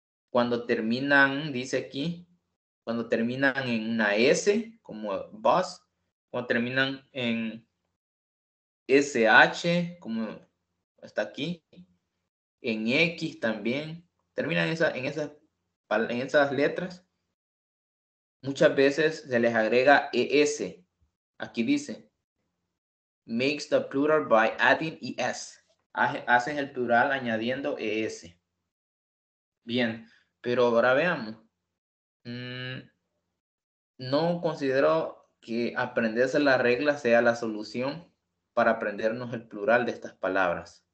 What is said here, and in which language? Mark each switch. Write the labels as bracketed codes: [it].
[es] Cuando terminan, dice aquí, cuando terminan en una S, como bus, cuando terminan en SH, como está aquí, en X también, terminan en esas letras, muchas veces se les agrega ES. Aquí dice, [en] makes the plural by adding ES. [es] Hacen el plural añadiendo ES. Bien, pero ahora veamos. No considero que aprenderse la regla sea la solución para aprendernos el plural de estas palabras.